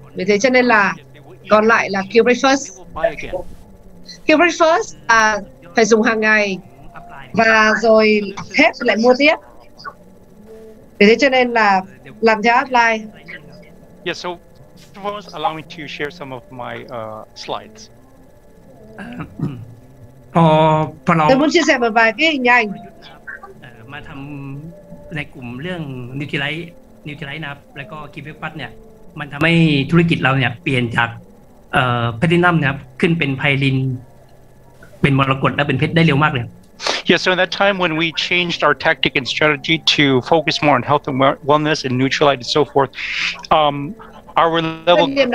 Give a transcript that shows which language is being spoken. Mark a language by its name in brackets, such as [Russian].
[Vietnamese] Vì thế cho nên là còn lại là Cube Breakfast. Cube Breakfast là phải dùng hàng ngày và rồi hết lại mua tiếp. Vì thế cho nên là làm theo Upline. [English] Yeah, so first, allow me to share some of my slides. [Vietnamese] Tôi muốn chia sẻ một vài cái hình ảnh. Mà làm [Thai] ในกลุ่มเรื่อง Nutrilite, Nutrilite นะแล้วก็ Cube Breakfast เนี่ยมันทำให้ธุรกิจเราเนี่ยเปลี่ยนจากPlatinum นะครับขึ้นเป็น Pyrin. เป็นมรกตและเป็นเพชรได้เร็วมากเลย [English] Yes, so in that time when we changed our tactic and strategy to focus more on health and wellness and Nutrilite and so forth, our level